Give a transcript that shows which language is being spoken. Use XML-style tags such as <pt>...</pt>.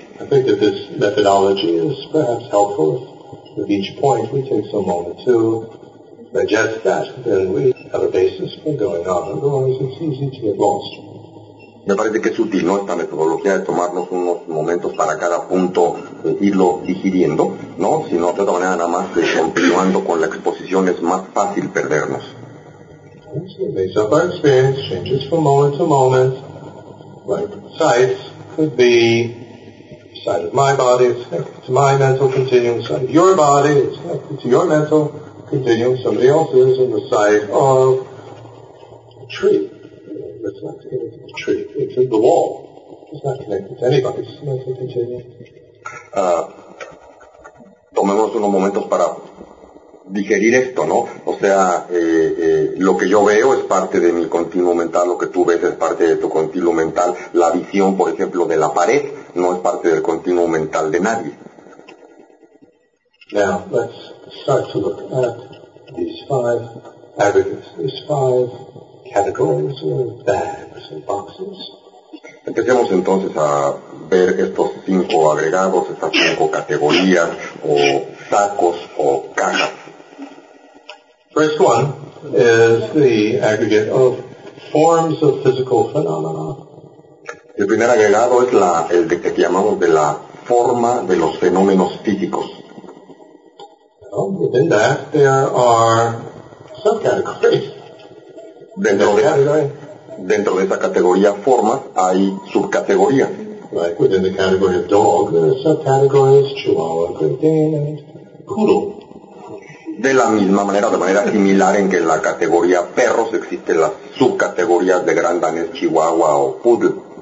<en>I think that this methodology is perhaps helpful. With each point, we take some moment to digest that, then we have a basis for going on. Otherwise, it's easy to get lost.</en> <es>Me parece que es útil, ¿no?, esta metodología de tomarnos unos momentos para cada punto, irlo digiriendo, ¿no? Si no, de otra manera, nada más continuando con la exposición, es más fácil perdernos.</es> <en>So it makes up our experience, changes from moment to moment. Like sight could be sight of my body, it's connected to my mental continuum. Sight of your body, it's connected to your mental continuum. Somebody else's in the sight of a tree. It's not connected to the tree, it's in the wall. It's not connected to anybody's mental continuum.</en> <es>Tomemos unos momentos para digerir esto, ¿no? O sea, lo que yo veo es parte de mi continuo mental, lo que tú ves es parte de tu continuo mental. La visión, por ejemplo, de la pared no es parte del continuo mental de nadie.</es> <en>Now, let's start to look at these five aggregates, these five categories or bags and boxes.</en> <es>Empecemos entonces a ver estos cinco agregados, estas cinco categorías o sacos o cajas.</es> <en>First one is the aggregate of forms of physical phenomena.</en> <es>El primer agregado es el que llamamos de la forma de los fenómenos físicos.</es> <en>Well, within that, there are subcategories.</en> <es>Dentro de esa categoría forma, hay subcategorías.</es> <en>Like within the category of dog, there are subcategories, chihuahua, great dane, and poodle.</en> <es>De la misma manera, de manera similar en que en la categoría perros existen las subcategorías de gran danés, chihuahua o poodle.</es>